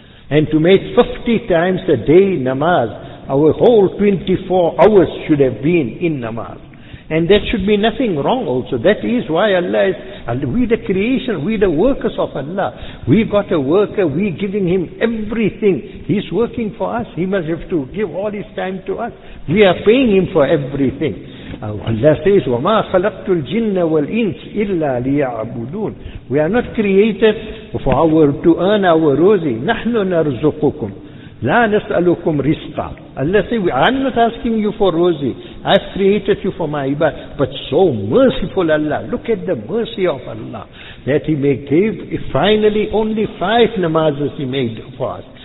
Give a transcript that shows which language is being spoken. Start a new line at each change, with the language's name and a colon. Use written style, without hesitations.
English: And to make 50 times a day namaz, our whole 24 hours should have been in namaz. And there should be nothing wrong also. That is why Allah is, we the creation, we the workers of Allah. We got a worker, we giving him everything. He's working for us. He must have to give all his time to us. We are paying him for everything. Allah says,
Arabic: وَمَا خَلَقْتُ الْجِنَّ وَالْإِنْسِ إِلَّا لِيَعْبُدُونَ.
English: We are not created for to earn our rosy.
Arabic: نَحْنُ نَرْزُقُكُمْ لَا نَسْأَلُكُمْ رِزْقًا.
English: Allah says, I'm not asking you for rosy. I've created you for my ibadah. But so merciful Allah. Look at the mercy of Allah. That he may give, finally only 5 namazes he made for us.